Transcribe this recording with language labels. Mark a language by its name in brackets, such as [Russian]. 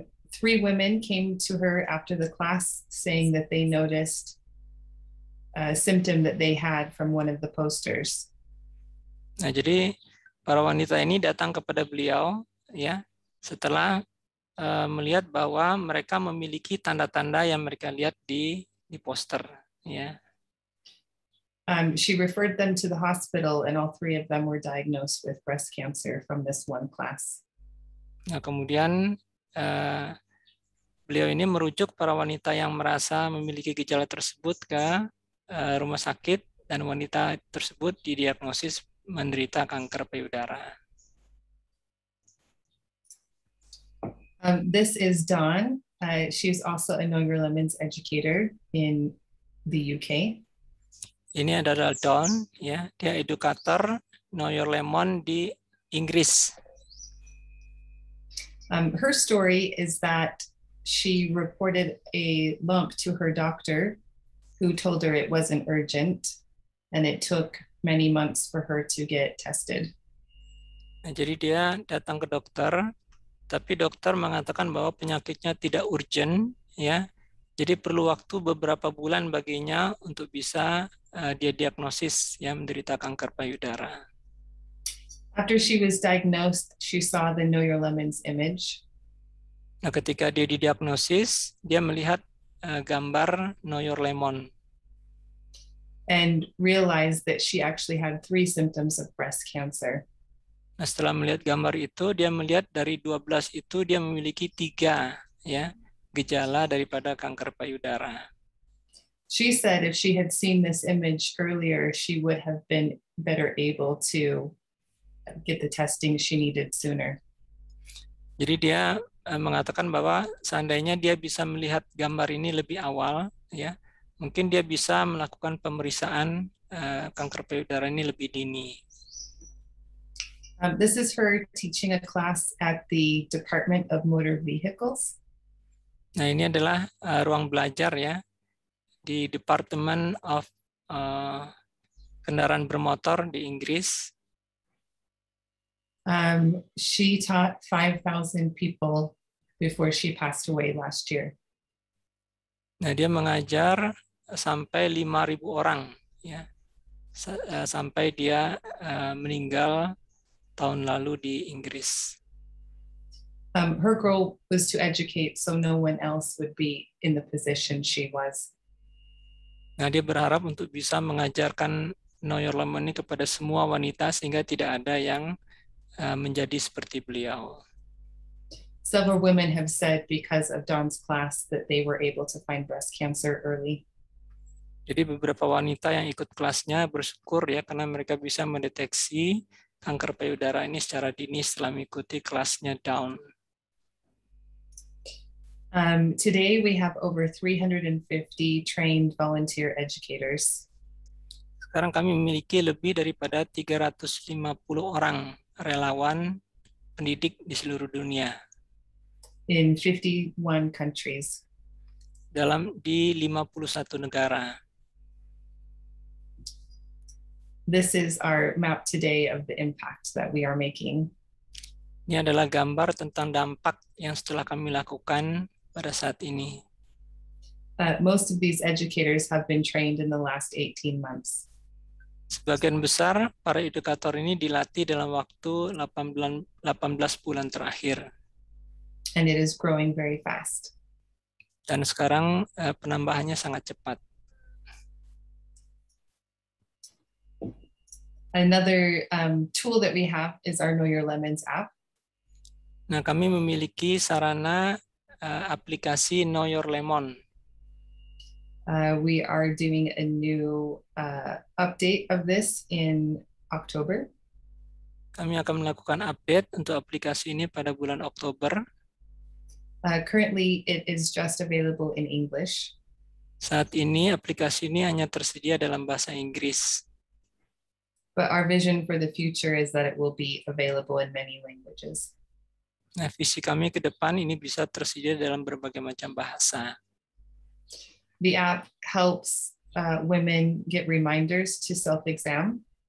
[English] Three women came to her after the class saying that they noticed a symptom that they had from one of the posters. [Indonesian] Nah, jadi para wanita ini datang kepada beliau ya setelah melihat bahwa mereka memiliki tanda-tanda yang mereka lihat di poster ya. [English] She referred them to the hospital and all three of them were diagnosed with breast cancer from this one class. [Indonesian] Nah, kemudian beliau ini merujuk para wanita yang merasa memiliki gejala tersebut ke rumah sakit dan wanita tersebut didiagnosis menderita kanker payudara. [English] This is Dawn. She's also a Know Your Lemons educator in the UK. [Indonesian] Ini adalah Dawn, ya. Dia edukator Know Your Lemon di Inggris. [English] Her story is that she reported a lump to her doctor who told her it wasn't urgent and it took many months for her to get tested. [Indonesian] Nah, jadi dia datang ke dokter, tapi dokter mengatakan bahwa penyakitnya tidak urgent, ya. Jadi perlu waktu beberapa bulan baginya untuk bisa dia diagnosis ya menderita kanker payudara. [English] After she was diagnosed, she saw the Know Your Lemons image. [Indonesian] Nah, ketika dia didiagnosis, dia melihat gambar Know Your Lemon. [English] And realized that she actually had three symptoms of breast cancer. [Indonesian] Nah, setelah melihat gambar itu, dia melihat dari 12 itu dia memiliki 3 ya gejala daripada kanker payudara. [English] She said if she had seen this image earlier, she would have been better able to get the testing she needed sooner. [Indonesian] Jadi dia mengatakan bahwa seandainya dia bisa melihat gambar ini lebih awal, ya, mungkin dia bisa melakukan pemeriksaan kanker payudara ini lebih dini. [English] This is her teaching a class at the Department of Motor Vehicles. [Indonesian] Nah, ini adalah ruang belajar ya di Department of Kendaraan Bermotor di Inggris. [English] She taught 5,000 people before she passed away last year. [Indonesian] Nah, dia mengajar sampai 5,000 orang ya. Sampai dia meninggal tahun lalu di Inggris. [English] Her goal was to educate so no one else would be in the position she was. [Indonesian] Nah, dia berharap untuk bisa mengajarkan Know Your Lemon ini kepada semua wanita sehingga tidak ada yang menjadi seperti beliau. [English] Several women have said because of Dawn's class that they were able to find breast cancer early. [Indonesian] Jadi beberapa wanita yang ikut kelasnya bersyukur ya karena mereka bisa mendeteksi kanker payudara ini secara dini setelah mengikuti kelasnya Dawn. [English] Today we have over 350 trained volunteer educators. [Indonesian] Sekarang kami memiliki lebih daripada 350 orang relawan pendidik di seluruh dunia. [English] In 51 countries. [Indonesian] Di 51 negara. [English] This is our map today of the impact that we are making. [Indonesian] Ini adalah gambar tentang dampak yang setelah kami lakukan pada saat ini. [English] Most of these educators have been trained in the last 18 months. [Indonesian] Sebagian besar para edukator ini dilatih dalam waktu 18 bulan terakhir. [English] And it is growing very fast. [Indonesian] dan sekarang penambahannya sangat cepat. [English] Another tool that we have is our Know Your Lemons app. [Indonesian] Nah, kami memiliki sarana aplikasi Know Your Lemon. [English] We are doing a new update of this in October. [Indonesian] Kami akan melakukan update untuk aplikasi ini pada bulan Oktober. [English] Currently, it is just available in English. [Indonesian] Saat ini, aplikasi ini hanya tersedia dalam bahasa Inggris. [English] But our vision for the future is that it will be available in many languages. [Indonesian] Nah, visi kami ke depan ini bisa tersedia dalam berbagai macam bahasa. [English] The app helps women get reminders to self-exam.